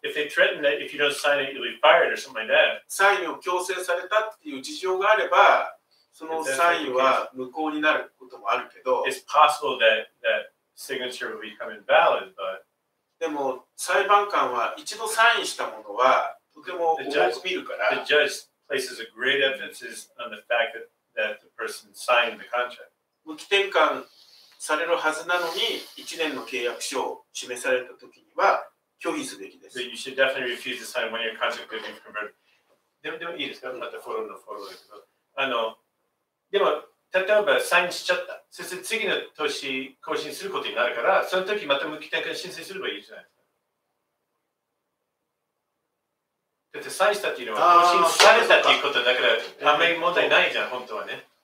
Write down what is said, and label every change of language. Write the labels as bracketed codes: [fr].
[en] If they threaten that if you don't sign it, you'll be fired or something like that. [ja] サインを強制されたっていう事情があれば、そのサインは無効になることもあるけど、 [en] It's possible that signature will become invalid, but [ja] でも裁判官は一度サインしたものはとても重く見るから [en] The judge places a great emphasis on the fact that the person signed the contract. [ja] 無期転換されるはずなのに1年の契約書を示されたときには拒否すべきです。 [en] You should definitely refuse to sign when your contract is converted. [ja] でもいいですか？またフォローだけど。でも例えばサインしちゃった。そして次の年更新することになるから、その時また無期転換申請すればいいじゃないですか。だってサインしたっていうのは更新されたっていうことだから、あんまり問題ないじゃん、本当はね。